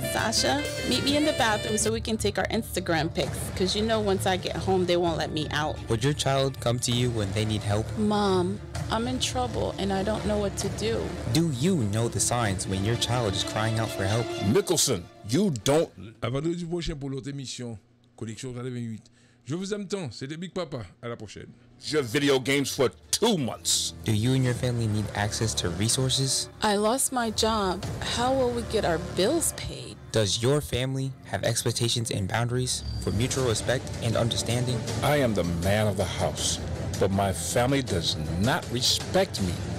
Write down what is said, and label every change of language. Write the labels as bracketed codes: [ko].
[en] Sasha, meet me in the bathroom so we can take our Instagram pics, because you know once I get home, they won't let me out. Would your child come to you when they need help? Mom, I'm in trouble and I don't know what to do. Do you know the signs when your child is crying out for help? Nicholson, you don't... [fr] À vendredi prochain pour l'autre émission, Collection 28. Je vous aime tant, c'était Big Papa, à la prochaine. [en] Your video games for 2 months. Do you and your family need access to resources? I lost my job. How will we get our bills paid? Does your family have expectations and boundaries for mutual respect and understanding? I am the man of the house, but my family does not respect me.